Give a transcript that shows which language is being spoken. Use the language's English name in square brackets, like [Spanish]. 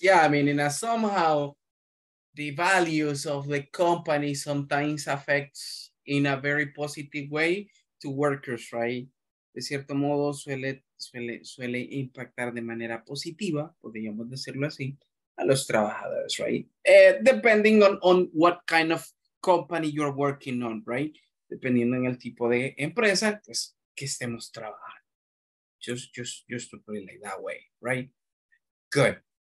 [English] Yeah, I mean, in a somehow, the values of the company sometimes affects in a very positive way to workers, right? [Spanish] De cierto modo, suele impactar de manera positiva, podríamos decirlo así, a los trabajadores, right? [English] Depending on what kind of company you're working on, right? [Spanish] Dependiendo en el tipo de empresa, pues, que estemos trabajando. [English] Just to put it like that way, right? Good.